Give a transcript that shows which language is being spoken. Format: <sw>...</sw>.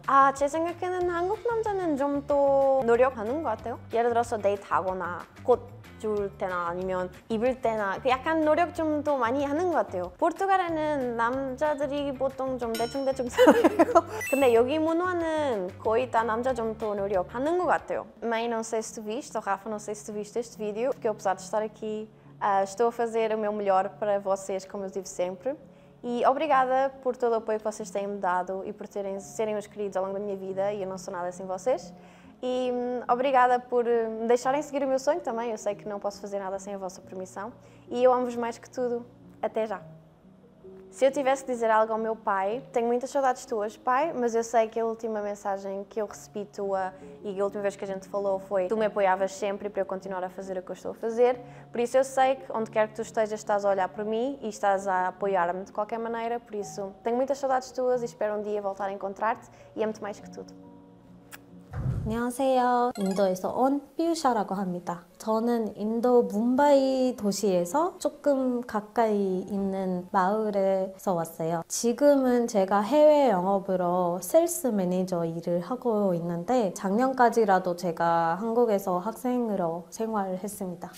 <ko>아 제 생각에는 한국 남자는 좀 더 노력하는 것 같아요. 예를 들어서 데이트하거나 곧 줄 때나 아니면 입을 때나 약간 노력 좀 더 많이 하는 것 같아요. 포르투갈에는 남자들이 보통 좀 대충대충 살아요. 근데 여기 문화는 거의 다 남자 좀 더 노력하는 것 같아요.</ko> <pt>Mãe, não sei se tu viste, Rafa, não sei se tu viste este vídeo, porque apesar de estar aqui, estou a fazer o meu melhor para vocês, como eu digo sempre. E obrigada por todo o apoio que vocês têm me dado e por serem os queridos ao longo da minha vida e eu não sou nada sem vocês. E obrigada por me deixarem seguir o meu sonho também. Eu sei que não posso fazer nada sem a vossa permissão. E eu amo-vos mais que tudo. Até já. Se eu tivesse de dizer algo ao meu pai, tenho muitas saudades tuas, pai, mas eu sei que a última mensagem que eu recebi tua e a última vez que a gente falou foi tu me apoiavas sempre para eu continuar a fazer o que eu estou a fazer. Por isso eu sei que onde quer que tu estejas estás a olhar por mim e estás a apoiar-me de qualquer maneira. Por isso tenho muitas saudades tuas e espero um dia voltar a encontrar-te e amo-te mais que tudo.</pt> <ko>안녕하세요. 인도에서 온 피우샤라고 합니다. 저는 인도 뭄바이 도시에서 조금 가까이 있는 마을에서 왔어요. 지금은 제가 해외 영업으로 셀스 매니저 일을 하고 있는데 작년까지라도 제가 한국에서 학생으로 생활을 했습니다.</ko>